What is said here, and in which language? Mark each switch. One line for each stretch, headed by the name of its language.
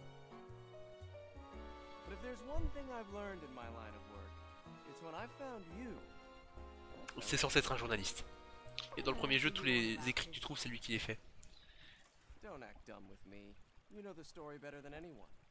English: But if there's one thing I've learned in my line of work, it's when I found you.
French: C'est censé être un journaliste. Et dans le premier jeu, tous les écrits que tu trouves, c'est lui qui les fait.
English: Don't act dumb with me. You know the story better than anyone.